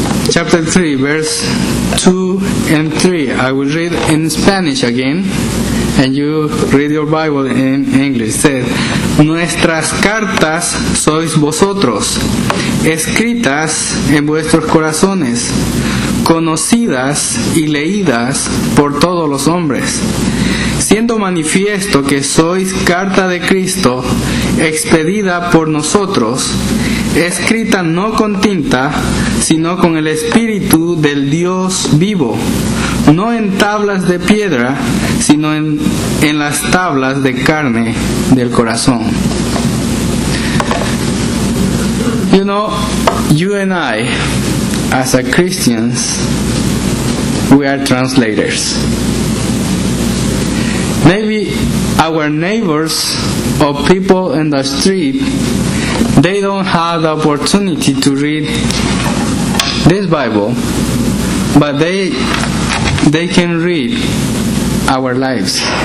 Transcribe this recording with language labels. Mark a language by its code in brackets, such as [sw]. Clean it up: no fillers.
[en] Chapter 3, verse 2 and 3. I will read in Spanish again, and you read your Bible in English. It says, [es] nuestras cartas sois vosotros, escritas en vuestros corazones, conocidas y leídas por todos los hombres, siendo manifiesto que sois carta de Cristo, expedida por nosotros, escrita no con tinta, sino con el Espíritu del Dios vivo, no en tablas de piedra, sino en las tablas de carne del corazón. [en] You know, you and I, as a Christians, we are translators. Maybe our neighbors or people in the street, they don't have the opportunity to read this Bible, but they can read our lives.